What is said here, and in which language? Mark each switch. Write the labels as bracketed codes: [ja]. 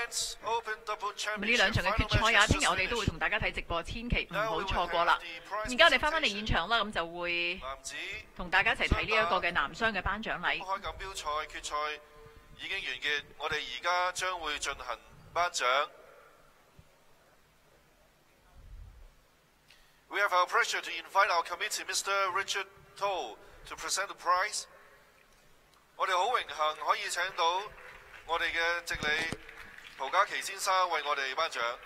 [yue] 咁呢兩場嘅決賽啊，聽日我哋都會同大家睇直播，千祈唔好錯過啦。而家我哋翻返嚟現場啦，咁就會同大家一齊睇呢一個嘅男雙嘅頒獎禮。公開錦標賽決賽已經完結，我哋而家將會進行頒獎。 [en] We have our pleasure to invite our committee, Mr. Richard Toll, to present the prize. [yue] 我哋好榮幸可以請到我哋嘅直理陶家琪先生為我哋頒獎。